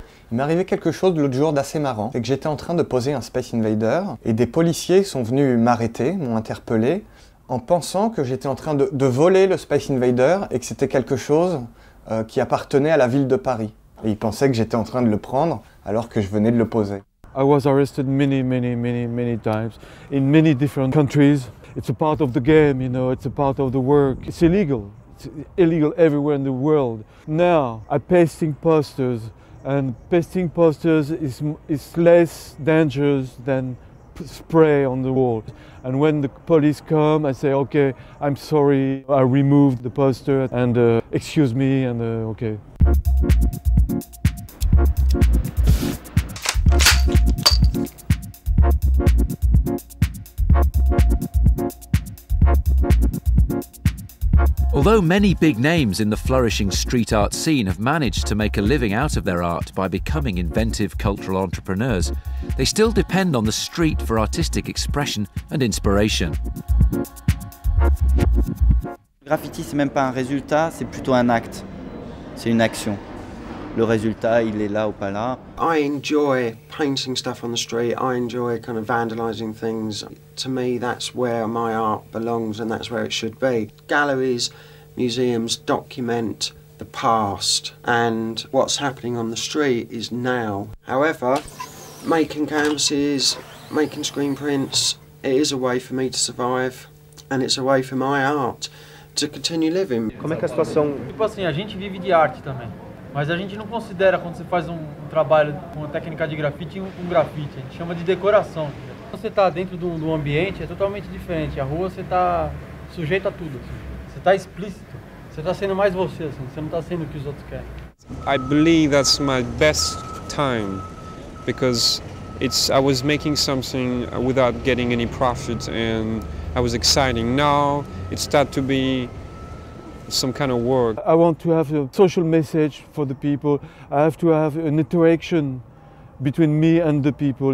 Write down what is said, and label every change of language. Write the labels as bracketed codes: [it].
[fr] Il m'est arrivé quelque chose l'autre jour d'assez marrant, c'est que j'étais en train de poser un Space Invader, et des policiers sont venus m'arrêter, m'ont interpellé, en pensant que j'étais en train de voler le Space Invader et que c'était quelque chose qui appartenait à la ville de Paris. Et ils pensaient que j'étais en train de le prendre alors que je venais de le poser. [en] I was arrested many times in many different countries. It's a part of the game, you know, it's a part of the work. It's illegal. It's illegal everywhere in the world. Now, I'm pasting posters, and pasting posters is less dangerous than spray on the wall. And when the police come, I say, okay, I'm sorry, I removed the poster, and excuse me, and okay. Although many big names in the flourishing street art scene have managed to make a living out of their art by becoming inventive cultural entrepreneurs, they still depend on the street for artistic expression and inspiration. [fr] Graffiti, c'est même pas un résultat, c'est plutôt un acte. C'est une action. Le résultat, il est là ou pas là. [en] I enjoy painting stuff on the street. I enjoy kind of vandalizing things. To me, that's where my art belongs and that's where it should be. Galleries, museums document the past and what's happening on the street is now. However, making canvases, making screen prints, it is a way for me to survive and it's a way for my art to continue living. [pt] Como é que a situação? Tipo assim, a gente vive de arte também. Mas a gente não considera, quando você faz um trabalho com uma técnica de grafite, um grafite. A gente chama de decoração. Quando você está dentro de um ambiente, é totalmente diferente. A rua, você está sujeito a tudo. Assim. Você está explícito. Você está sendo mais você, assim. Você não está sendo o que os outros querem. [en] I believe that's my best time because I was making something without getting any profit and I was exciting. Now it start to be some kind of work. I want to have a social message for the people. I have to have an interaction between me and the people.